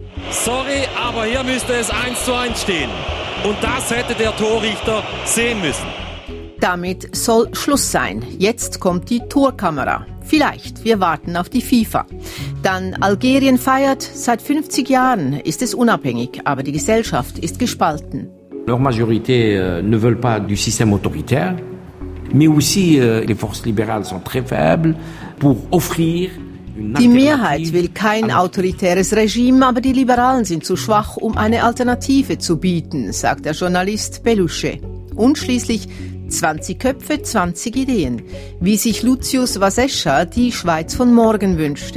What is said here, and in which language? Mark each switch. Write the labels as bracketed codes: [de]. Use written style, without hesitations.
[de] Sorry, aber hier müsste es 1:1 stehen. Und das hätte der Torrichter sehen müssen. Damit soll Schluss sein. Jetzt kommt die Torkamera. Vielleicht, wir warten auf die FIFA. Dann Algerien feiert. Seit 50 Jahren ist es unabhängig, aber die Gesellschaft ist gespalten. [fr] Leur majorité ne veulent pas du système autoritaire, mais aussi les forces libérales sont très faibles pour offrir. [de] Die Mehrheit will kein autoritäres Regime, aber die Liberalen sind zu schwach, um eine Alternative zu bieten, sagt der Journalist Belusche. Und schließlich 20 Köpfe, 20 Ideen. Wie sich Lucius Vasescha die Schweiz von morgen wünscht.